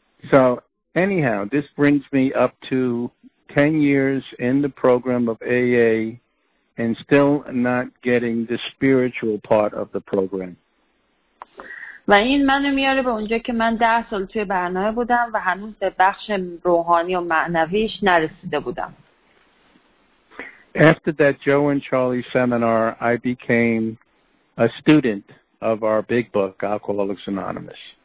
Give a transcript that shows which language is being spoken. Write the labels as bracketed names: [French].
[English] So anyhow, this brings me up to 10 years in the program of AA and still not getting the spiritual part of the program. [Persian] و این منو میاره به اونجا که من 10 سال توی برنامه بودم و هنوز به بخش روحانی و معنویش نرسیده بودم. [English] After that Joe and Charlie seminar, I became a student of our big book, Alcoholics Anonymous.